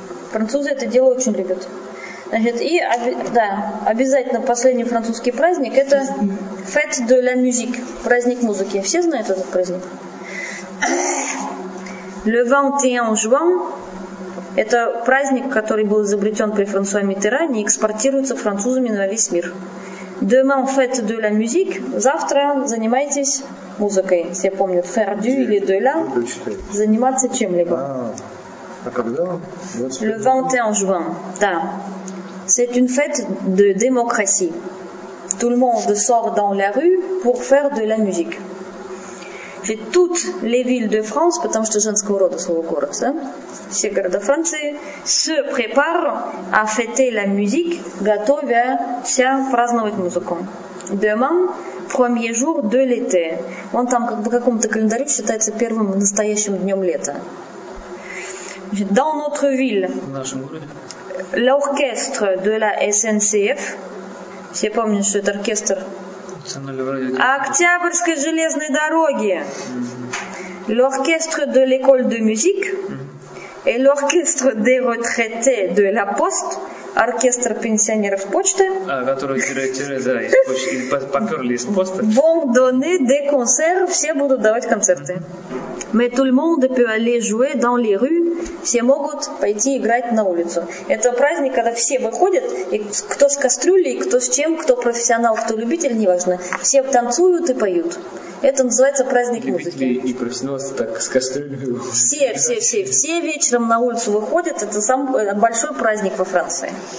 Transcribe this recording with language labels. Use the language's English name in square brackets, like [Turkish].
[Russian] Французы это дело очень любят. Значит, и да, обязательно последний французский праздник, это Fête de la musique, праздник музыки. Все знают этот праздник? [French] Le 21 juin. [Russian] Это праздник, который был изобретен при Франсуа Миттеране и экспортируется французами на весь мир. [French] Demain fête de la musique. [Russian] Завтра занимайтесь музыкой. Все помнят. [French] Faire du или de la. [Russian] Заниматься чем-либо. А когда? [French] Le 21 juin. Да. C'est une fête de démocratie. Tout le monde sort dans la rue pour faire de la musique. Et toutes les villes de France, [Russian] потому что женского рода слово город, да? Все города Франции [French] se préparent à fêter la musique, [Russian] готовятся праздновать музыку. [French] Demain, premier jour de l'été. [Russian] Он там как бы в каком-то календаре считается первым настоящим днем лета. [French] Dans notre ville, l'orchestre de la SNCF, [Russian] все помнят, что это оркестр Октябрьской железной дороги, [French] l'orchestre de l'école de musique, et l'orchestre des retraités de la Poste, [Russian] оркестр пенсионеров почты, который тире-тире, да, поперли из почты, [French] vont donner des concerts, [Russian] все будут давать концерты. [French] Mais tout le monde peut aller jouer dans les rues, [Russian] все могут пойти играть на улицу. Это праздник, когда все выходят, и кто с кастрюлей, кто с чем, кто профессионал, кто любитель, неважно, все танцуют и поют. Это называется праздник любители музыки. И профессионалы так с кастрюлями. Все вечером на улицу выходят. Это самый большой праздник во Франции.